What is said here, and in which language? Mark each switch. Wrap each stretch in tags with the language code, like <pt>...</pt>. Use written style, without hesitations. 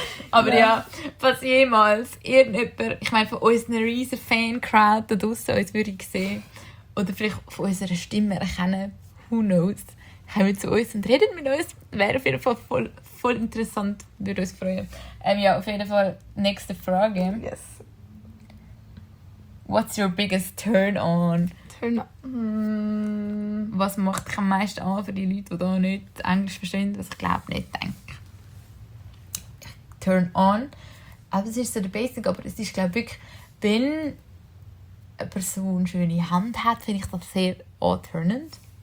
<de>Aber ja, falls jemals irgendjemand, ich meine, von unserer riesen Fan-Crowd da draussen uns würde ich sehen oder vielleicht von unserer Stimme erkennen,</de> <en>who knows,</en> <de>kommen zu uns und reden mit uns. Wäre auf jeden Fall voll interessant. Würde uns freuen. Ja, auf jeden Fall, nächste Frage.</de> <en>Yes. What's your biggest turn-on?</en> <de>Was macht dich am meisten an für die Leute, die da nicht Englisch verstehen? Was ich glaube nicht denke. Turn-on. Aber es ist so der Basic, aber es ist, glaube ich, wenn eine Person schöne Hand hat, finde ich das sehr alternant.</de>